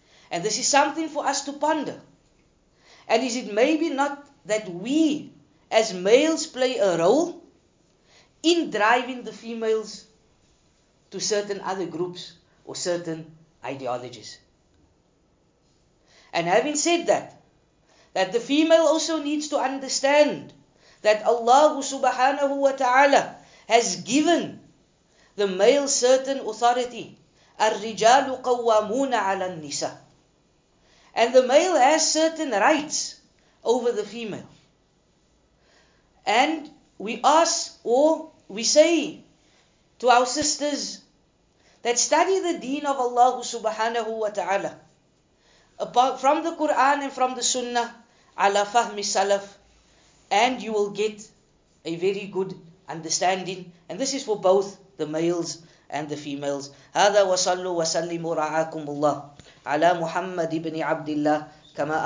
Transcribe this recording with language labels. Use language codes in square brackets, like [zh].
[en] And this is something for us to ponder. And is it maybe not that we as males play a role in driving the females to certain other groups or certain ideologies? And having said that the female also needs to understand that Allah subhanahu wa ta'ala has given the male certain authority. [ar] الرجال قوامون على النساء. [en] And the male has certain rights over the female. And we ask, or we say to our sisters, that study the deen of Allah subhanahu wa ta'ala from the Quran and from the Sunnah, [ar] على فهم السلف, [en] and you will get a very good understanding. And this is for both the males and the females. [ar] هذا وصلوا وسلموا رعاكم الله على محمد بن عبد الله كما أمر